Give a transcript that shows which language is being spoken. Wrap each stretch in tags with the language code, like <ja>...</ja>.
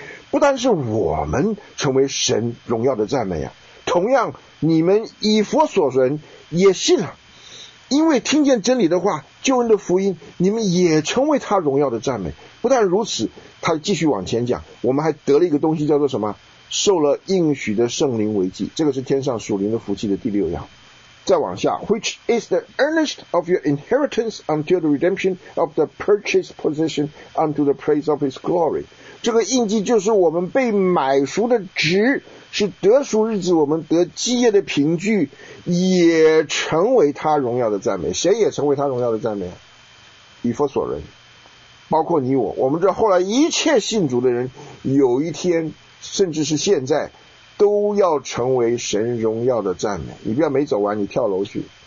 <zh>不单是我们成为神荣耀的赞美啊，同样你们以弗所人也信了，因为听见真理的话，救恩的福音，你们也成为他荣耀的赞美。不但如此，他继续往前讲，我们还得了一个东西叫做什么？受了应许的圣灵为祭，这个是天上属灵的福气的第六样。</zh> <en>再往下， Which is the earnest of your inheritance until the redemption of the purchased possession unto the praise of his glory。</en> <zh>这个印记就是我们被买赎的值，是得赎日子我们得基业的凭据，也成为他荣耀的赞美。谁也成为他荣耀的赞美？以弗所人。包括你我，我们这后来一切信主的人，有一天甚至是现在都要成为神荣耀的赞美。你不要没走完你跳楼去。</zh>